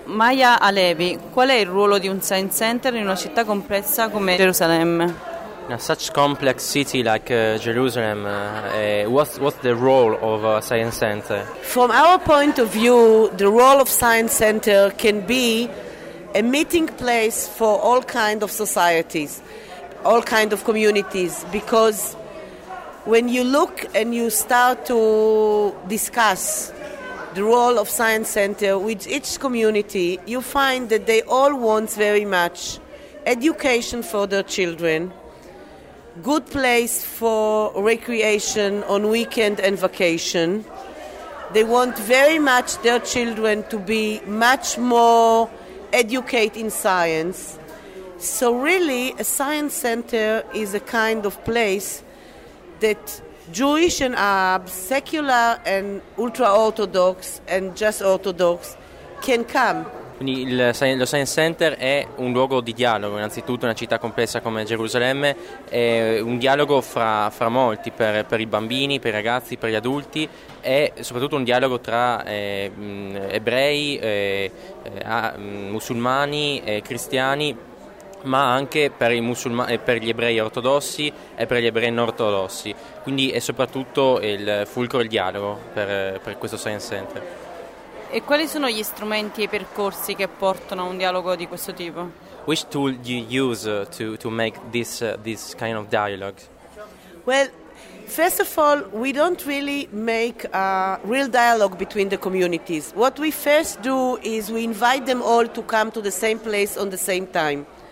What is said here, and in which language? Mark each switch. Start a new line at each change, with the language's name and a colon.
Italian: Maya Alevi, qual è il ruolo di un science center in una città complessa come Gerusalemme?
English: In a such complex city like Jerusalem, what's the role of a science center? From our point of view, the role of science center can be a meeting place for all kind of societies, all kind of communities, because when you look and you start to discuss the role of science center with each community, you find that they all want very much education for their children, good place for recreation on weekend and vacation. They want very much their children to be much more educated in science. So really, a science center is a kind of place that Jewish and Arab, secular and ultra-orthodox and just orthodox can come.
Italian: Quindi lo Science Center è un luogo di dialogo, innanzitutto una città complessa come Gerusalemme, è un dialogo fra molti, per i bambini, per i ragazzi, per gli adulti, è soprattutto un dialogo tra ebrei, musulmani, cristiani, ma anche per i musulmani, per gli ebrei ortodossi e per gli ebrei non ortodossi. Quindi è soprattutto il fulcro del dialogo per questo Science Center. E quali sono gli strumenti e i percorsi che portano a un dialogo di questo tipo?
English: Which tool do you use to make this kind of dialogue? Well, first of all, we don't really make a real dialogue between the communities. What we first do is we invite them all to come to the same place on the same time.